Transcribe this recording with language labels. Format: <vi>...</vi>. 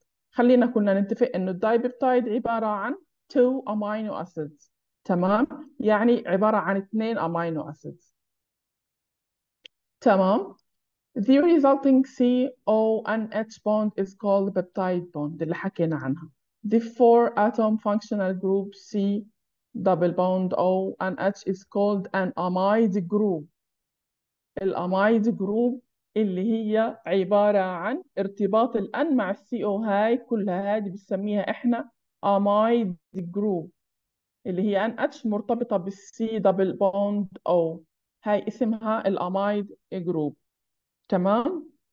<ar>خلينا كنا نتفق انه الداي بيبتايد عباره عن تو امينو اسيدز، تمام؟ يعني عبارة عن 2 أمينو أسيد، تمام؟</ar> <en>The resulting CO and H bond is called peptide bond</en> <ar>اللي حكينا عنها.</ar> <en>The four atom functional group C double bond O and H is called an amide group.</en> <ar>الأمايد جروب اللي هي عبارة عن ارتباط الآن مع CO، هاي كلها هذه بنسميها إحنا</ar> <en>amide group،</en> <ar>اللي هي ان اتش مرتبطه بالسي دبل بوند او، هاي اسمها الاميد جروب، تمام.</ar>